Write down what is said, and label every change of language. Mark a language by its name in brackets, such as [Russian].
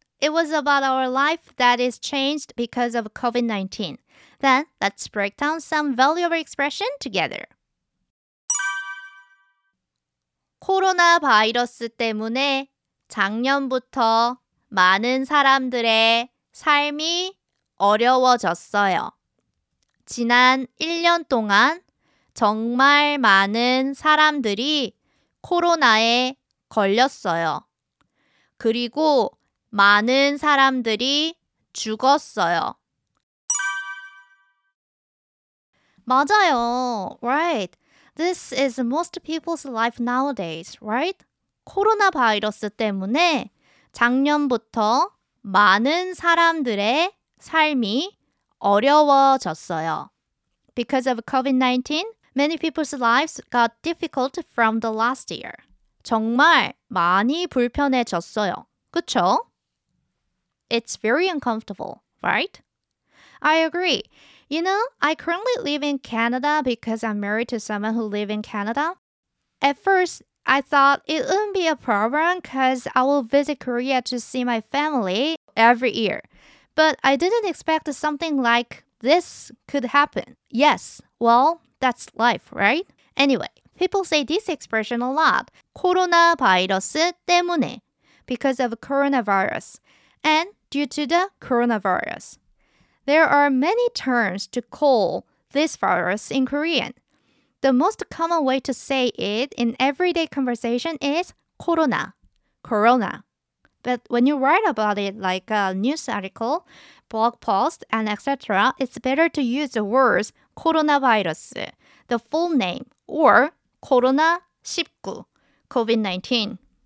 [English] It was about our life that is changed because of COVID-19. Then, let's break down some valuable expression together. [Korean] 코로나 바이러스 때문에 작년부터 많은 사람들의 삶이 어려워졌어요. 지난 1년 동안 정말 많은 사람들이 코로나에 걸렸어요. 그리고 많은 사람들이 죽었어요. 맞아요. [English] Right. This is most people's life nowadays, right? [Korean] 코로나 바이러스 때문에 작년부터 많은 사람들의 삶이 어려워졌어요. [English] Because of COVID-19, many people's lives got difficult from the last year. [Korean] 정말 많이 불편해졌어요. 그쵸? [English] It's very uncomfortable, right? I agree. You know, I currently live in Canada because I'm married to someone who lives in Canada. At first, I thought it wouldn't be a problem because I will visit Korea to see my family every year. But I didn't expect something like this could happen. Yes, well, that's life, right? Anyway, people say this expression a lot. [Korean] 코로나 바이러스 때문에. [English] Because of coronavirus. And due to the coronavirus. There are many terms to call this virus in Korean. The most common way to say it in everyday conversation is corona, corona. But when you write about it like a news article, blog post, and etc., it's better to use the words coronavirus, the full name, or corona-19, COVID-19.